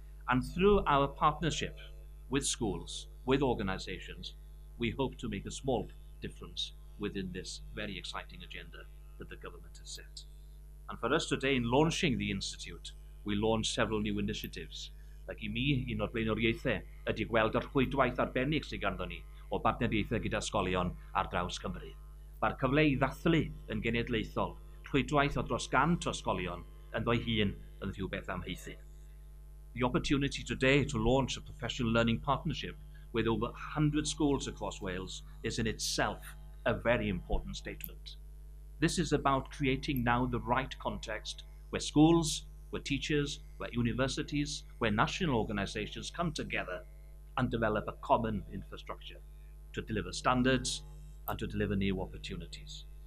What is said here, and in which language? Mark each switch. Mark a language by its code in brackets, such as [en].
[en] And through our partnership with schools, with organizations, we hope to make a small difference within this very exciting agenda that the government has set. And for us today, in launching the Institute, we launched several new initiatives. [cy] Like me, un o'r blaenoriaethau, ydy gweld yr rhwydwaith arbennig sy'n ganddo ni o partneriaethau gyda ysgolion ar draws Cymru. Mae'r cyfle i ddathlu yn genedlaethol, rhwydwaith o dros 100 ysgolion yn ddo'i hun yn rhywbeth amheithi. [en] The opportunity today to launch a professional learning partnership with over 100 schools across Wales is in itself a very important statement. This is about creating now the right context where schools, where teachers, where universities, where national organisations come together and develop a common infrastructure to deliver standards and to deliver new opportunities.